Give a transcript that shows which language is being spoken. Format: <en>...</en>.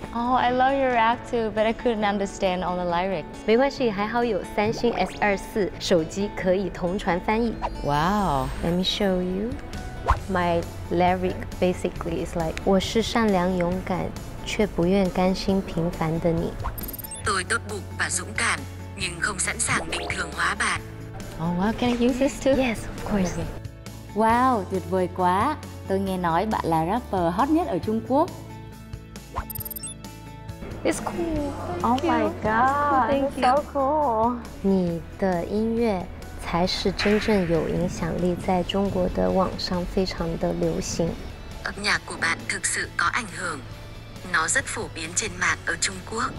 <en>Oh, I love your rap too, but I couldn't understand all the lyrics.</en> <zh>没关系，还好有三星 S24 手机可以同传翻译。</zh> <en>Wow, let me show you. My lyric basically is like</en> <zh>我是善良勇敢却不愿甘心平凡的你</zh> <vi>tôi tốt bụng và dũng cảm nhưng không sẵn sàng bình thường hóa bạn.</vi> <en>Oh wow, can I use this too? Yes, of course.</en> <vi>Wow, tuyệt vời quá. Tôi nghe nói bạn là rapper hot nhất ở Trung Quốc.</vi> <en>It's cool. Thank you. Oh my god, it's so cool.</en> <zh>你的音乐才是真正有影响力，在中国的网上非常的流行。</zh> <vi>âm nhạc của bạn thực sự có ảnh hưởng, nó rất phổ biến trên mạng ở Trung Quốc.</vi>